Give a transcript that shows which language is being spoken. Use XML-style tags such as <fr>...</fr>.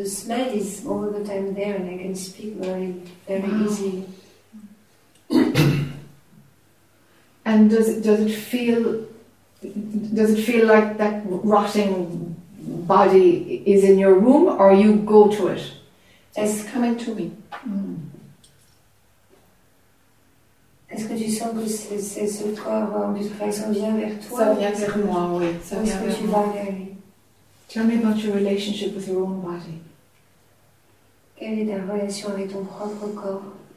<en>The smell is all the time there, and I can speak very easy. And does it feel like that rotting body is in your room, or you go to it? It's coming to me.</en> <fr>Est-ce que tu sens que c'est ce corps en putréfaction vient vers toi? Ça vient vers moi, oui.</fr> <en>Tell me about your relationship with your own body.</en> <fr>Quelle est ta relation avec ton propre corps?</fr>